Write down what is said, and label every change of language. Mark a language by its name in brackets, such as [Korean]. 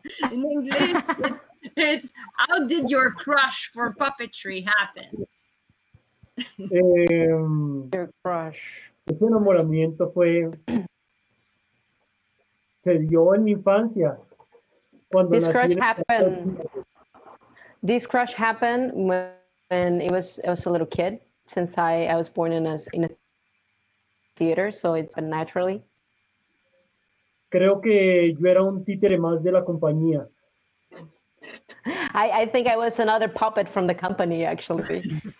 [English] In English, it's how did your crush for puppetry happen? Your crush. [Spanish] Ese enamoramiento fue se dio en mi infancia cuando [English] this crush happened. This crush happened when I was a little kid. Since I was born in a theater, so it's naturally. [Spanish] Creo que yo era un títere más de la compañía. [English] I think I was another puppet from the company, actually.